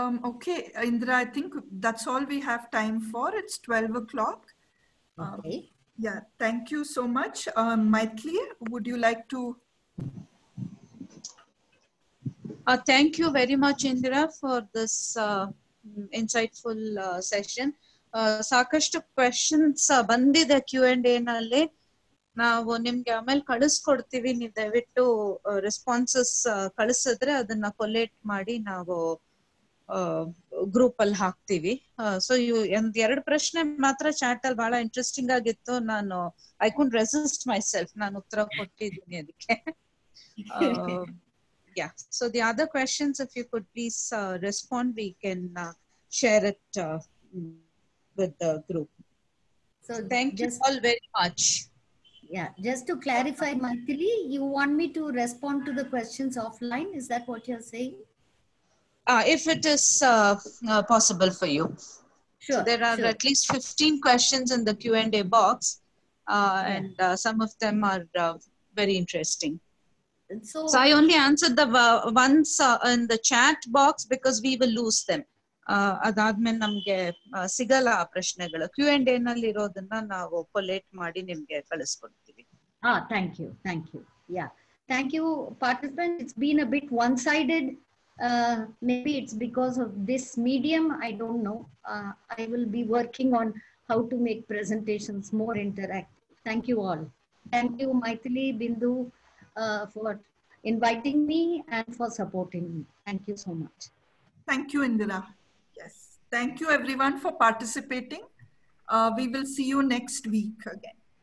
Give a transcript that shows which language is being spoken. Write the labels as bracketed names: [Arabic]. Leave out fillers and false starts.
[English] Okay, Indira, I think that's all we have time for. It's 12 o'clock. Okay. Yeah, thank you so much. Maitli, would you like to... Thank you very much, Indira, for this insightful session. [Kannada] ಸಾಕಷ್ಟು questions ಬಂದಿದೆ Q and A ನಲ್ಲಿ. ನಾವು ನಿಮ್ಗೆ ಆಮೇಲೆ ಕಳಿಸ್ಕೊಡ್ತೀವಿ, ನೀವು ದಯವಿಟ್ಟು responses ಕಳಿಸಿದ್ರೆ ಅದನ್ನ ಕೊಲೆಕ್ಟ್ ಮಾಡಿ ನಾವು ಗ್ರೂಪ್ ಅಲ್ಲಿ ಹಾಕ್ತೀವಿ. ಸೊ ಯು ಒಂದ್ ಎರಡು ಪ್ರಶ್ನೆ ಮಾತ್ರ ಚಾಟ್ ಅಲ್ಲಿ ಬಹಳ ಇಂಟ್ರೆಸ್ಟಿಂಗ್ ಆಗಿತ್ತು. ನಾನು [English] I could resist myself, [Kannada] ನಾನು ಉತ್ತರ ಕೊಟ್ಟಿದ್ದೀನಿ ಅದಕ್ಕೆ. [English] Yeah, so the other questions, if you could please respond, we can share it with the group. So thank just, you all very much. Yeah, just to clarify, Maitri, you want me to respond to the questions offline? Is that what you're saying? If it is possible for you. Sure. So there are sure. at least 15 questions in the Q&A box, and some of them are very interesting. So I only answered the ones in the chat box because we will lose them. [Kannada] ಅದಾದ್ಮೇಲೆ ನಮ್ಗೆ ಸಿಗಲ್ಲ ಆ ಪ್ರಶ್ನೆಗಳು. Q and A ನಲ್ಲಿ ಇರೋದನ್ನ ನಾವು ಕೊಲೆಕ್ಟ್ ಮಾಡಿ ನಿಮ್ಗೆ ಕಳಿಸ್ಕೊಡ್ತೀವಿ. [English] Thank you, thank you. Yeah, thank you participant. It's been a bit one sided, maybe it's because of this medium, I don't know. I will be working on how to make presentations more interactive. Thank you all. Thank you Maithili Bindu for inviting me and for supporting me. Thank you so much. Thank you, Indira. Yes. Thank you, everyone, for participating. We will see you next week again.